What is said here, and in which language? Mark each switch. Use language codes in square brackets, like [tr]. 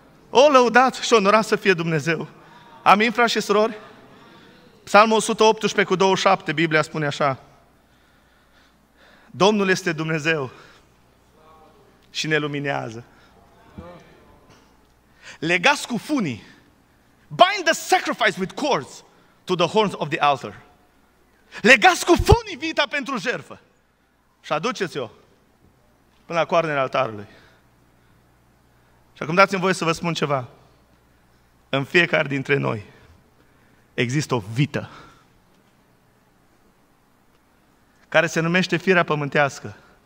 [ro] O, lăudat și onorat să fie Dumnezeu. Amin, frați și surori? Psalmul 118 cu 27, Biblia spune așa. Domnul este Dumnezeu și ne luminează. Legați cu funii. [en] Bind the sacrifice with cords to the horns of the altar. [ro] Legați cu funii vita pentru jertfă. Și aduceți-o până la coarnele altarului. Și acum dați-mi voie să vă spun ceva. În fiecare dintre noi există o vită care se numește firea pământească.